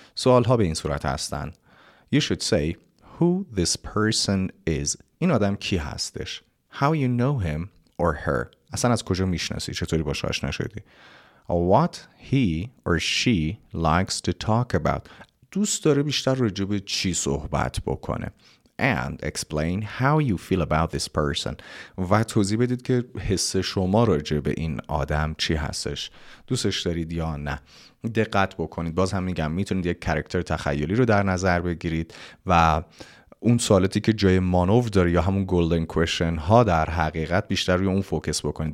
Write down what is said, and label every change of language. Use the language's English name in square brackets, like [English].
[Persian] سوال ها به این صورت هستن: [English] You should say who this person is. [Persian] این آدم کی هستش؟ [English] How you know him or her. [Persian] اصلا از کجا میشناسی؟ چطوری باش آشنا شدی؟ [English] What he or she likes to talk about. [Persian] دوست داره بیشتر راجع به چی صحبت بکنه. [English] And explain how you feel about this person. [Persian] و توضیح بدید که حس شما راجع به این آدم چی هستش، دوستش دارید یا نه. دقت بکنید. باز هم میگم میتونید یک کاراکتر تخیلی رو در نظر بگیرید و اون سوالاتی که جای مانوف داره یا همون گولدن کوشن ها در حقیقت بیشتر روی اون فوکس بکنید.